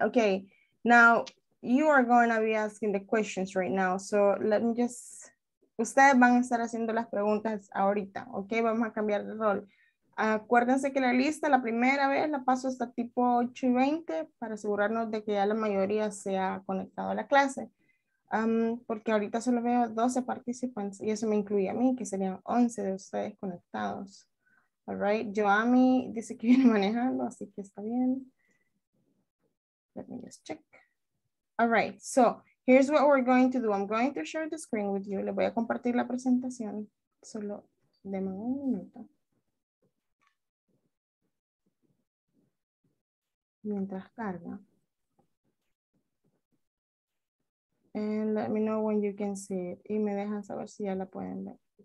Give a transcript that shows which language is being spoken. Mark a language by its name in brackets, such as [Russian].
[English] Okay, now you are going to be asking the questions right now. So let me just, [Spanish] ustedes van a estar haciendo las preguntas ahorita. Okay, vamos a cambiar de rol. Acuérdense que la lista, la primera vez, la paso hasta tipo 8:20 para asegurarnos de que ya la mayoría se ha conectado a la clase. Porque ahorita solo veo 12 participantes y eso me incluye a mí, que serían 11 de ustedes conectados. All right, Joami dice que viene manejando, así que está bien. [English] Let me just check. All right, so here's what we're going to do. I'm going to share the screen with you. [Spanish] Le voy a compartir la presentación. Solo deme un minuto. Mientras carga. [English] And let me know when you can see it. [Spanish] Y me dejan saber si ya la pueden ver.